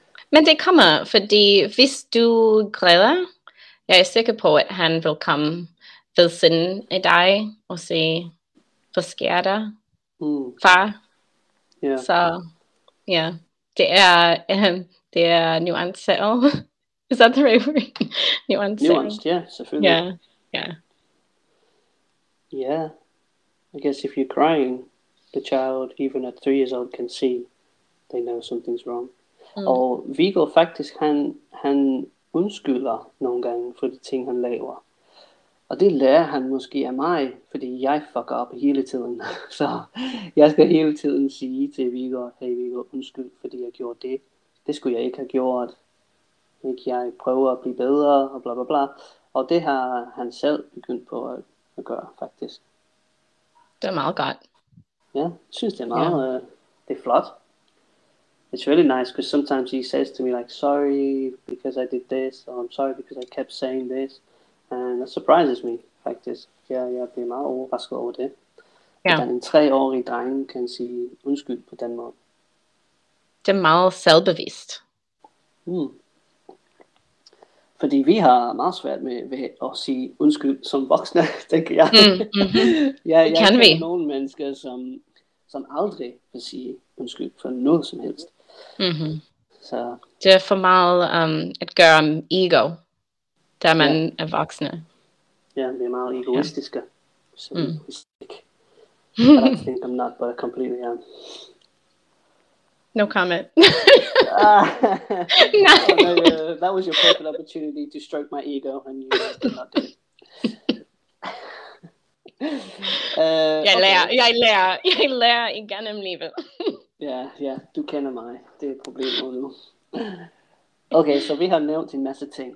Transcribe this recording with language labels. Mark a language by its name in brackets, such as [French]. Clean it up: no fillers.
[Danish] Men det kommer, fordi hvis du græder, jeg er sikker på, at han vil komme ved siden af dig og se, hvad sker der, far. Yeah. Så ja, det er nuanceret. [English] Is that the right word? Nuanced, yeah, [Danish] selvfølgelig. Yeah. [English] I guess if you're crying, the child, even at 3 years old, can see they know something's wrong. [Danish] Mm. Og Viggo faktisk, han undskylder nogle gange for de ting, han laver. Og det lærer han måske af mig, fordi jeg fucker op hele tiden. Så jeg skal hele tiden sige til Viggo, hey Viggo, undskyld, fordi jeg gjorde det. Det skulle jeg ikke have gjort. Ikke, jeg prøver at blive bedre, og bla bla bla. Og det har han selv begyndt på at gøre, faktisk. Det er meget godt. Ja, jeg synes, det er meget Det er flot. [English] It's really nice because sometimes he says to me like, sorry because I did this, or I'm sorry because I kept saying this. And that surprises me. [Danish] Faktisk, jeg bliver meget overrasket over det. Yeah. At en 3-årig dreng kan sige undskyld på den måde. Det er meget selvbevist. Hmm. Fordi vi har meget svært med ved at sige undskyld som voksne, tænker jeg. Mm, mm-hmm. Ja, jeg kender nogle mennesker, som aldrig vil sige undskyld for noget som helst. Mm-hmm. Så. Det er for meget at gøre om ego, da man er voksne. Ja, det er meget egoistiske. Yeah. [English] Så I don't think I'm not, but I completely am. No comment. That was your perfect opportunity to stroke my ego, and you did not do it. [Danish] Jeg lærer igennem livet. Yeah, du kender mig. Det er problemet nu. Okay, så vi har nævnt en masse ting.